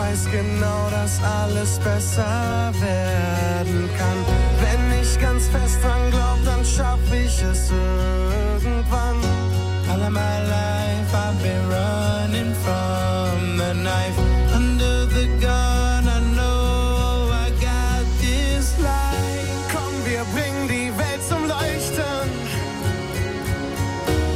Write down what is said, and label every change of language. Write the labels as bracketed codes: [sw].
[de] genau, dass alles besser werden kann. Wenn ich ganz fest dran glaub, dann schaff ich es irgendwann. [en] All of my life I've been running from the knife. Under the gun I know I got this light. [de] Komm, wir bringen die Welt zum Leuchten.